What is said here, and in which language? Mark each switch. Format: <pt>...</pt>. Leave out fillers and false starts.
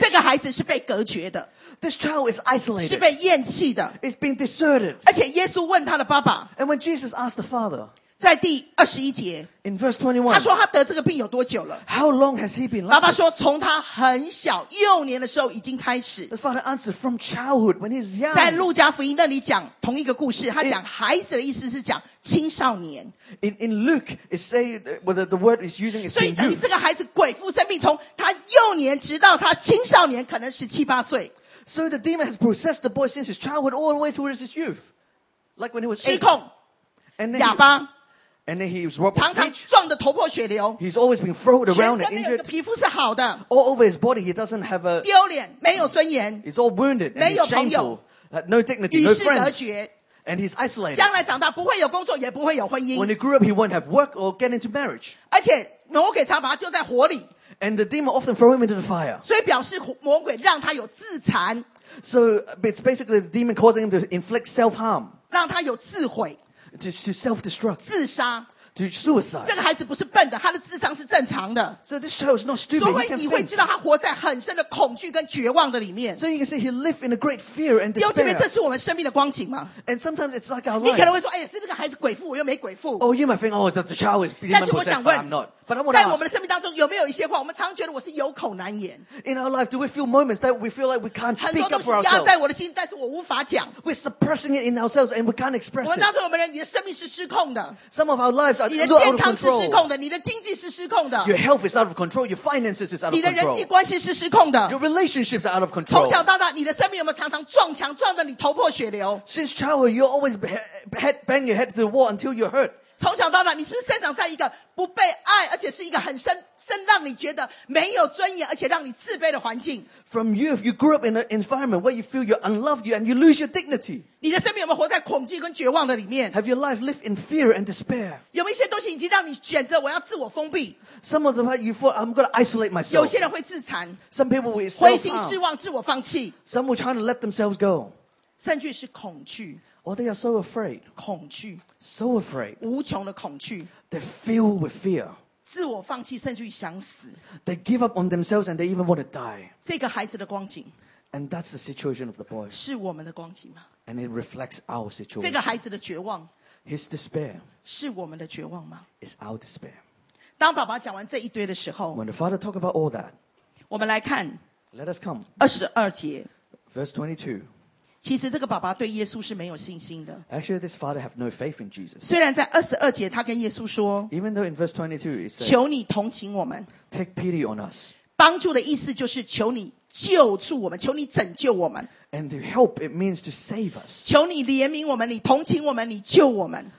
<zh>这个孩子是被隔绝的</zh> <en>，This child is isolated，</en> <zh>是被厌弃的</zh> <en>，is being deserted.</en> <zh>而且耶稣问他的爸爸</zh> <en>，And when Jesus asked the father，</en> <zh>在第二十一节</zh> <en>，In verse 21，</en> <zh>他说他得这个病有多久了</zh> <en>？How long has he been like？</en> <zh>爸爸说从他很小幼年的时候已经开始。</zh> <en>The father answered, from childhood when he is young.</en> <zh>在路加福音那里讲同一个故事，他讲孩子的意思是讲。青少年</zh> <en>in Luke it say whether the word is using is</en> <zh>所以等于这个孩子鬼附身病从他幼年直到他青少年可能十七八岁</zh> <en>so the demon has possessed the boy since his childhood all the way towards his youth like when he was</en> <zh>失控哑巴</zh> <en>and then he was robbed</en> <zh>常常撞得头破血流</zh> <en>he's always been thrown around and injured</en> <zh>皮肤是好的</zh> <en>all over his body he doesn't have a</en> <zh>丢脸没有尊严</zh> <en>he's all wounded and he's shameful no dignity no friends And he's isolated.</en> <zh>将来长大不会有工作，也不会有婚姻。</zh> <en>When he grew up, he won't have work or get into marriage.</en> <zh>而且魔鬼常把他丢在火里。</zh> <en>And the demon often throw him into the fire.</en> <zh>所以表示魔鬼让他有自残。</zh> <en>So it's basically the demon causing him to inflict self-harm.</en> <zh>让他有自毁。</zh> <en>To self-destruct.</en> <zh>自杀。</zh> <en>To suicide.</en> <zh>这个孩子不是笨的，他的智商是正常的。</zh> <en>So this child is not stupid.</en> <zh>所以你会知道他活在很深的恐惧跟绝望的里面。</zh> <en>So you can see he lived in a great fear and despair.</en> <zh>弟兄姐妹，这是我们生命的光景吗</zh> <en>？And sometimes it's like our life.</en> <zh>你可能会说，哎，是那个孩子鬼附，我又没鬼附。</zh> <en>Oh, you might think, oh, that the child is demon possessed, but I'm not. But I want to ask.</en> <zh>在我们的生命当中，有没有一些话，我们常常觉得我是有口难言</zh> <en>？In our life, do we feel moments that we feel like we can't speak up for ourselves?</en> <zh>很多东西压在我的心，但是我无法讲。</zh> <en>We're suppressing it in ourselves and we can't express it.</en> <zh>我们当中有没有人，你的生命是失控的</zh> <en>？Some of our lives are.</en> <zh>你的健康是失控的，你的经济是失控的。</zh> <en>Your health is out of control. Your finances is out of control.</en> <zh>你的人际关系是失控的。</zh> <en>Your relationships are out of control.</en> <zh>从小到大，你的生命有没有常常撞墙，撞得你头破血流</zh> <en>？Since childhood, you always bang your head to the wall until you're hurt.</en> <zh>从小到大，你是不是生长在一个不被爱，而且是一个很深让你觉得没有尊严，而且让你自卑的环境</zh> <en>？From youth, you grew up in an environment where you feel you're unloved, and you lose your dignity.</en> <zh>你的生命有没有活在恐惧跟绝望的里面</zh> <en>？Have your life lived in fear and despair?</en> <zh>有没有一些东西已经让你选择我要自我封闭</zh> <en>？Some of the people you thought I'm going to isolate myself.</en> <zh>有些人会自残</zh> <en>，Some people will self-harm.</en> <zh>灰心失望，自我放弃</zh> <en>，Some will try to let themselves go.</en> <zh>甚至是恐惧。</zh> <en>Oh, they are so afraid.</en> <zh>恐惧</zh> <en>So afraid.</en> <zh>无穷的恐惧</zh> <en>They're filled with fear.</en> <zh>自我放弃，甚至于想死</zh> <en>They give up on themselves and they even want to die.</en> <zh>这个孩子的光景</zh> <en>And that's the situation of the boy.</en> <zh>是我们的光景吗</zh> <en>And it reflects our situation.</en> <zh>这个孩子的绝望</zh> <en>His despair.</en> <zh>是我们的绝望吗</zh> <en>It's our despair.</en> <zh>当爸爸讲完这一堆的时候</zh> <en>When the father talked about all that.</en> <zh>我们来看</zh> <en>Let us come.</en> <zh>二十二节</zh> <en>Verse 22.</en> <zh>其实这个爸爸对耶稣是没有信心的。</zh> <en>Actually, this father have no faith in Jesus.</en> <zh>虽然在二十二节，他跟耶稣说</zh> <en>，Even though in verse 22 it says,</en> <zh>求你同情我们</zh> <en>，Take pity on us.</en> <zh>帮助的意思就是求你救助我们，求你拯救我们。</zh> <en>And to help it means to save us.</en> <zh>求你怜悯我们，你同情我们，你救我们。</zh>